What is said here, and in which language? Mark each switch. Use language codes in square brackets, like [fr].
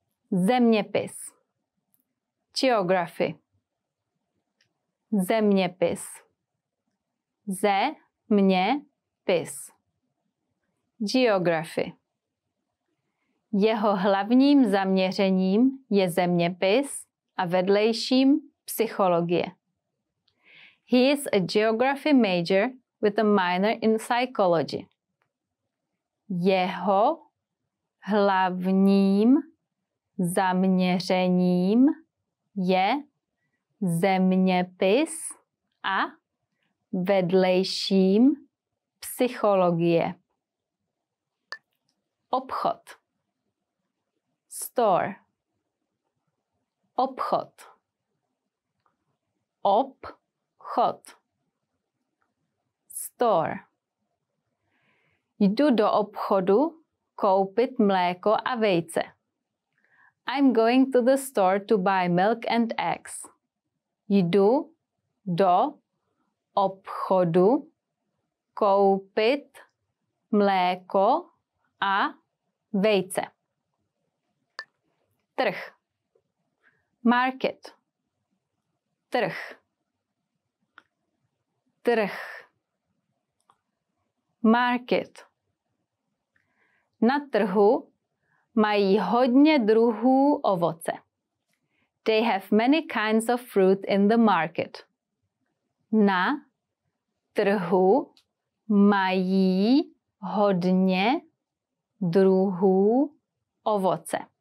[cs] Zeměpis. [en] Geography. [cs] Zeměpis. Zeměpis. [en] Geography. [cs] Jeho hlavním zaměřením je zeměpis a vedlejším psychologie. [en] He is a geography major with a minor in psychology. [cs] Jeho hlavním zaměřením je zeměpis a vedlejším psychologie. Obchod. [en] Store. [cs] Obchod. Obchod. [en] Store. [cs] Jdu do obchodu koupit mléko a vejce. [en] I'm going to the store to buy milk and eggs. [cs] Jdu do obchodu koupit mléko a vejce. Trh. [en] Market. [cs] Trh. Trh. [en] Market. [cs] Na trhu mají hodně druhů ovoce. [en] They have many kinds of fruit in the market. [cs] Na trhu mají hodně druhů ovoce.